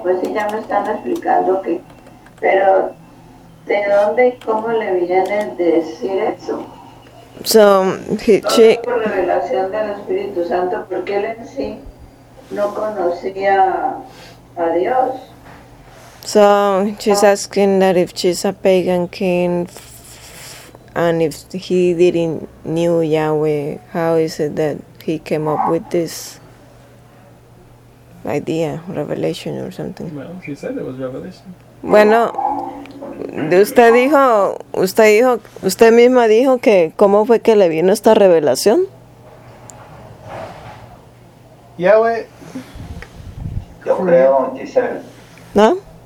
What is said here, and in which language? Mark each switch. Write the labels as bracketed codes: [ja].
[es] Pues sí, ya me están explicando que, pero ¿de dónde y cómo le viene decir eso? [en] So, she... [es] Por revelación del Espíritu Santo, porque él en sí no conocía a Dios. [en] So, she's asking that if she's a pagan king and if he didn't knew Yahweh, how is it that he came up with this idea, revelation or something? Well, he said it was revelation. [es] Bueno, usted misma dijo que cómo fue que le vino esta revelación. Yahweh, yo creo, Giselle. ¿No?